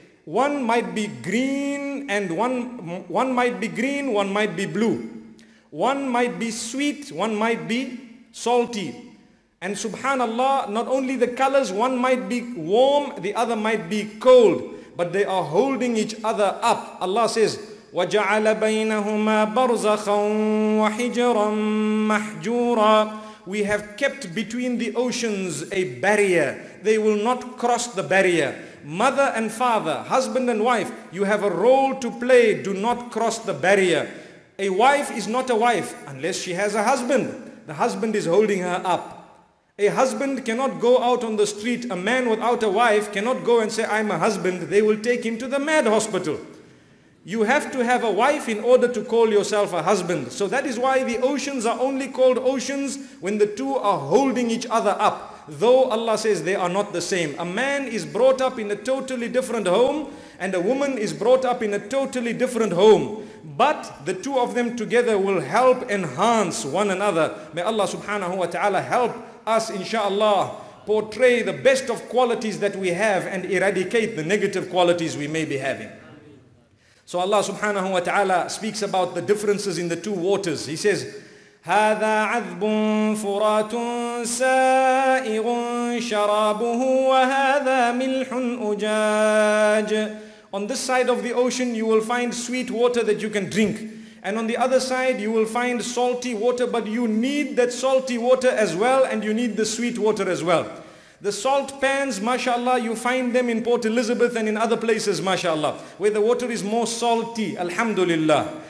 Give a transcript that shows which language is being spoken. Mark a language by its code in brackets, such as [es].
[en] One might be green and one might be green, one might be blue. One might be sweet, one might be salty. And subhanallah, not only the colors, one might be warm, the other might be cold. But they are holding each other up. Allah says, [ar] وَجَعَلَ بَيْنَهُمَا بَرْزَخًا وَحِجَرًا مَحْجُورًا. [en] We have kept between the oceans a barrier. They will not cross the barrier. Mother and father, husband and wife, you have a role to play. Do not cross the barrier. A wife is not a wife unless she has a husband. The husband is holding her up. A husband cannot go out on the street. A man without a wife cannot go and say, I'm a husband. They will take him to the mad hospital. You have to have a wife in order to call yourself a husband. So that is why the oceans are only called oceans when the two are holding each other up. Though Allah says they are not the same. A man is brought up in a totally different home and a woman is brought up in a totally different home. But the two of them together will help enhance one another. May Allah subhanahu wa ta'ala help us inshallah portray the best of qualities that we have and eradicate the negative qualities we may be having. So Allah subhanahu wa ta'ala speaks about the differences in the two waters. He says, [ar] هَذَا عَذْبٌ فُرَاتٌ سَائِغٌ شَرَابُهُ وَهَذَا مِلْحٌ أُجَاجٌ. [en] On this side of the ocean you will find sweet water that you can drink. And on the other side you will find salty water, but you need that salty water as well and you need the sweet water as well. The salt pans, mashallah, you find them in Port Elizabeth and in other places, mashallah, where the water is more salty, alhamdulillah.